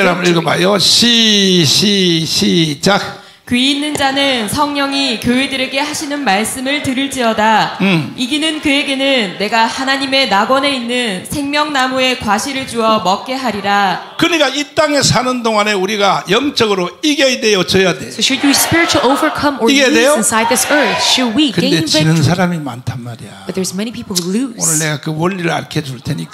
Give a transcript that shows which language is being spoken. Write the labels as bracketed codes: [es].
[ko] 7절 한번 읽어봐요. 시작. 귀 있는 자는 성령이 교회들에게 하시는 말씀을 들을지어다. 이기는 그에게는 내가 하나님의 낙원에 있는 생명나무의 과실을 주어 먹게 하리라. 그러니까 이 땅에 사는 동안에 우리가 영적으로 이겨야 돼요, 져야 돼. [en] So should we spiritually overcome or lose inside this earth? Should we gain victory? [ko] 근데 지는 사람이 많단 말이야. [en] But there's many people who lose. [ko] 오늘 내가 그 원리를 알려 줄 테니까.